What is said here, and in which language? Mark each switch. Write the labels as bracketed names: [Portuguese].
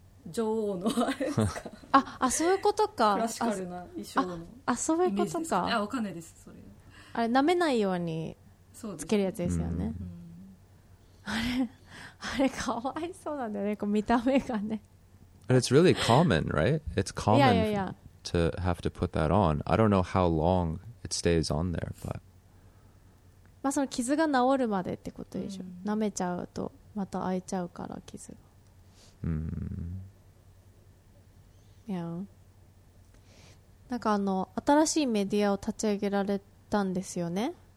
[Japanese] 女王のあれですか？あ、そういうことか。クラシカルな衣装の。あ、そういうことか。あ、わかんないです。それ。あれ舐めないようにつけるやつですよね。あれかわいそうなんだよね、こう見た目がね。 [English] But it's really common, right? It's common to have to put that on. I don't know how long it stays on there, but [Japanese] まあその傷が治るまでってことでしょ。舐めちゃうとまた開いちゃうから傷が。 [English] Yeah. [Japanese] なんかあの新しいメディアを立ち上げられたんですよね。